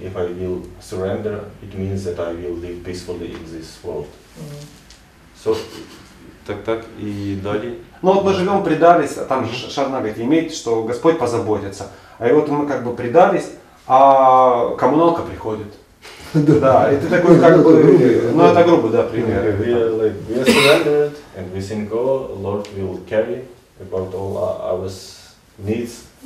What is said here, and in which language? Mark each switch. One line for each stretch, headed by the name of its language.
English: If I will surrender, it means that I will live peacefully in this world. So,
Russian: так и далее. Ну вот мы живем, предались, а там Шарнагати имеет, что Господь позаботится. А вот мы как бы предались, а коммуналка приходит. Да, и ты такой как бы грубый. Ну это грубо, да, пример.
English: We are surrendered and we think, oh, Lord will carry about all our needs.